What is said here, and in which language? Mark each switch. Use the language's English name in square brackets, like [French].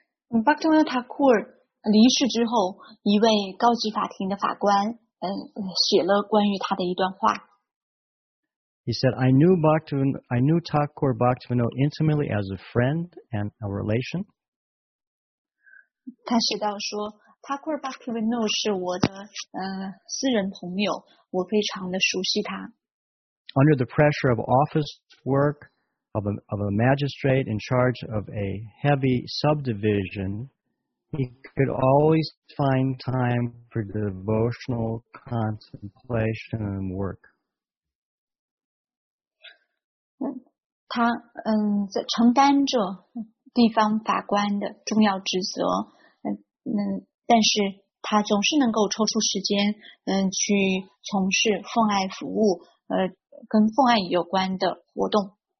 [Chinese] Bhaktivinoda Thakur 离世之后，一位高级法庭的法官写了关于他的一段话。 [English] He said, I knew Thakur Bhaktivinoda intimately as a friend and a relation. [Chinese] 他写到说 ，Thakur Bhaktivinoda 是我的私人朋友，我非常的熟悉他。 [English] Under the pressure of office work. Of a magistrate in charge of a heavy subdivision, he could always find time for devotional contemplation and work. [Chinese] 他在承担着地方法官的重要职责，但是他总是能够抽出时间，去从事奉爱服务，跟奉爱有关的活动。